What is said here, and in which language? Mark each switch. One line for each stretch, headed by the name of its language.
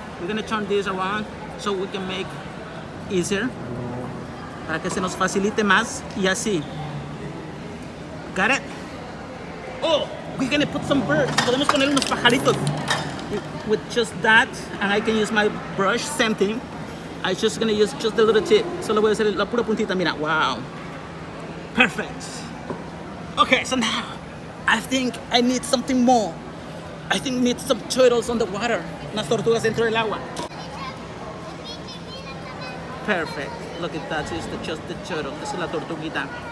English: We're gonna turn this around so we can make easier.
Spanish: Para que se nos facilite más y así.
English: Got it? Oh, we're gonna put some birds.
Spanish: Podemos poner unos pajaritos.
English: With just that, and I can use my brush, same thing. I'm just gonna use just the little tip.
Spanish: Solo voy a hacer la pura puntita, mira, wow.
English: Perfect. Okay, so now, I think I need something more. I think I need some turtles on the water.
Spanish: Unas tortugas dentro del agua.
English: Perfect. Look at that, it's just the turtle.
Spanish: Es la tortuguita.